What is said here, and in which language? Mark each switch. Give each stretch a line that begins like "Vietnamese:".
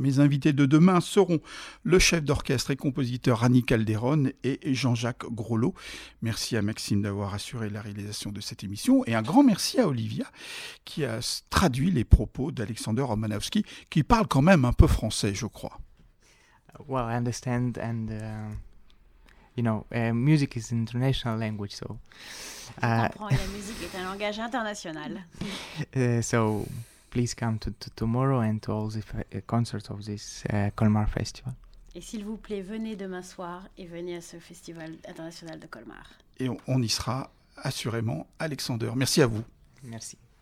French: Mes invités de demain seront le chef d'orchestre et compositeur Annie Calderon et Jean-Jacques Grolot. Merci à Maxime d'avoir assuré la réalisation de cette émission et un grand merci à Olivia qui a traduit les propos d'Alexander Romanowski qui parle quand même un peu français, je crois.
English: Well, I understand and... You know, music is an international language, so...
French: La musique est un langage international.
English: So, please come to tomorrow and to all the concerts of this Colmar Festival.
French: Et s'il vous plaît, venez demain soir et venez à ce Festival international de Colmar. Et on y sera assurément, Alexander. Merci à vous. Merci.